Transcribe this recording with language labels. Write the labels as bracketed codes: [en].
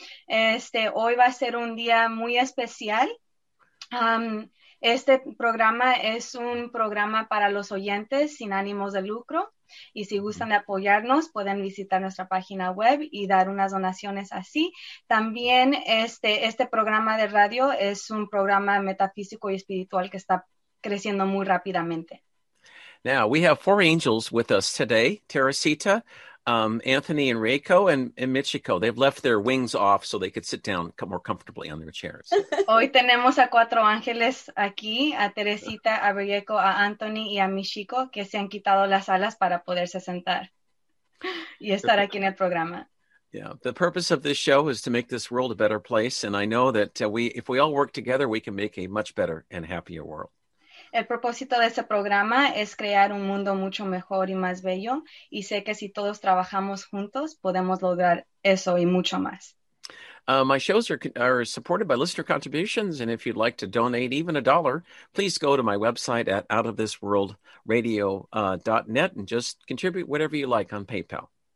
[es] Hoy va a ser un día muy especial. Este programa es un programa para los oyentes sin ánimos de lucro, y si gustan apoyarnos pueden visitar nuestra página web y dar unas donaciones así. También este programa de radio es un programa metafísico y espiritual que está creciendo muy rápidamente. [en] Now, we have four angels with us today, Teresita, Anthony and Reiko, and Michiko. They've left their wings off so they could sit down more comfortably on their chairs. [es] Hoy tenemos a cuatro ángeles aquí, a Teresita, a Reiko, a Anthony y a Michiko, que se han quitado las alas para poderse sentar y estar aquí en el programa. [en] Yeah, the purpose of this show is to make this world a better place, and I know that if we all work together, we can make a much better and happier world. [es] El propósito de este programa es crear un mundo mucho mejor y más bello, y sé que si todos trabajamos juntos, podemos lograr eso y mucho más. [en] My shows are supported by listener contributions, and if you'd like to donate even a dollar, please go to my website at outofthisworldradio.net and just contribute whatever you like on PayPal.